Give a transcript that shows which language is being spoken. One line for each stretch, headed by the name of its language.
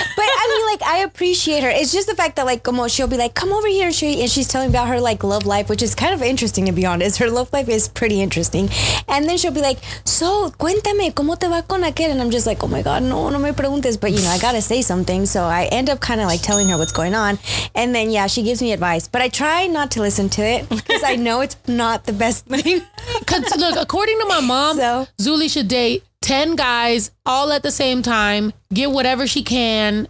English: But I mean, like, I appreciate her. It's just the fact that, like, como, she'll be like, come over here. And she's telling about her, like, love life, which is kind of interesting, to be honest. Her love life is pretty interesting. And then she'll be like, so,
Spanish: cuéntame, ¿cómo te va con aquel?
English: And I'm just like, oh my God, no,
Spanish: no me preguntes.
English: But, you know, I got to say something. So I end up kind of, like, telling her what's going on. And then, yeah, she gives me advice. But I try not to listen to it because I know it's not the best thing. Because, look, according to my mom, Zuli should date 10 guys all at the same time, get whatever she can.